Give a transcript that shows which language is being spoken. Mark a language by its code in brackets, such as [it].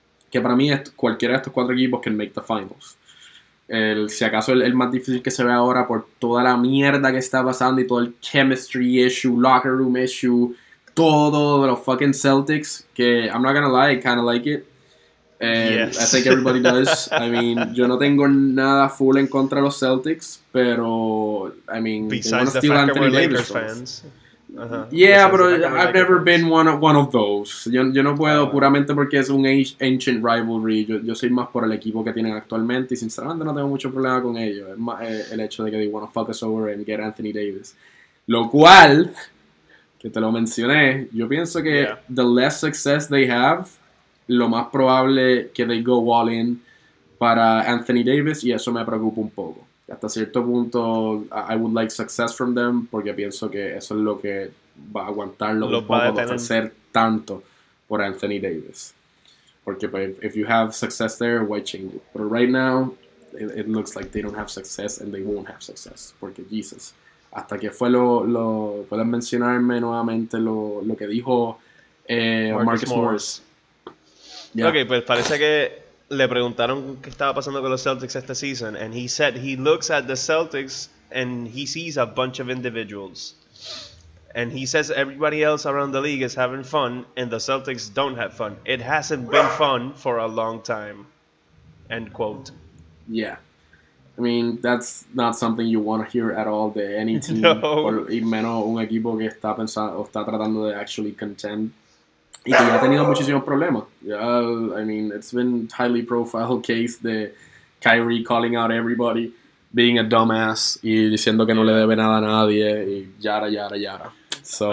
[es] Que para mí cualquiera de estos cuatro equipos [en] can make the finals. [es] Si acaso el más difícil que se ve ahora por toda la mierda que está pasando y todo el chemistry issue, locker room issue, todo de los fucking Celtics, que [en] I'm not gonna lie, I kinda like it. Yes. I think everybody does. I mean, [es] yo no tengo nada full en contra de los Celtics, pero, [en] I mean, besides the fact that we're Lakers fans. Yeah, yeah, [es] pero [en] I've never been one of those. [es] Yo no puedo puramente porque es un [en] ancient rivalry. [es] Yo soy más por el equipo que tienen actualmente y sinceramente no tengo mucho problema con ellos. Es más el hecho de que [en] they want to fuck us over and get Anthony Davis. [es] Lo cual, que te lo mencioné, yo pienso que [en] the less success they have, [es] lo más probable que [en] they go all in [es] para Anthony Davis y eso me preocupa un poco. Hasta cierto punto, [en] I would like success from them [es] porque pienso que eso es lo que va a aguantarlo un poco de ofrecer tanto por Anthony Davis. Porque [en] if you have success there, why change it? But right now, it looks like they don't have success and they won't have success. [es] Porque, Jesus, hasta que fue lo puedes mencionarme nuevamente lo que dijo Marcus Morris. [en] Yeah. Okay, [es] pues parece que le preguntaron qué estaba pasando con los Celtics esta season, [en] and he said he looks at the Celtics and he sees a bunch of individuals. And he says everybody else around the league is having fun and the Celtics don't have fun. It hasn't been fun for a long time. End quote. Yeah. I mean, that's not something you want to hear at all [es] de [en] any team. No. [es] Y menos un equipo que está pensando o está tratando de [en] actually contend. [es] Y que ya ha tenido muchísimos problemas. [en] I mean, it's been highly profile case de Kyrie calling out everybody, being a dumbass, [es] y diciendo que no le debe nada a nadie, y yara, yara, yara. So,